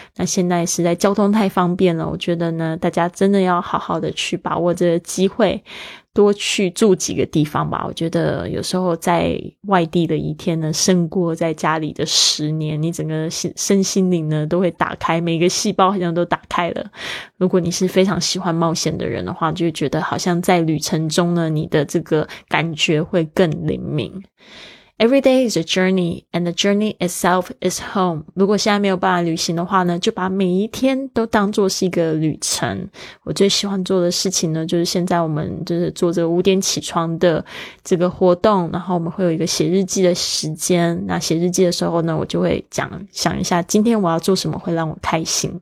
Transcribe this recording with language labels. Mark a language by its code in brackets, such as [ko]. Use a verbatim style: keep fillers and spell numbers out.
[zh] 那现在实在交通太方便了，我觉得呢大家真的要好好的去把握这个机会，多去住几个地方吧。我觉得有时候在外地的一天呢，胜过在家里的十年，你整个身心灵呢都会打开，每个细胞好像都打开了。如果你是非常喜欢冒险的人的话，就会觉得好像在旅程中呢，你的这个感觉会更灵敏。 [en] Every day is a journey, and the journey itself is home. [zh] 如果现在没有办法旅行的话呢，就把每一天都当作是一个旅程。我最喜欢做的事情呢，就是现在我们就是做这个五点起床的这个活动，然后我们会有一个写日记的时间。那写日记的时候呢，我就会讲想一下今天我要做什么会让我开心。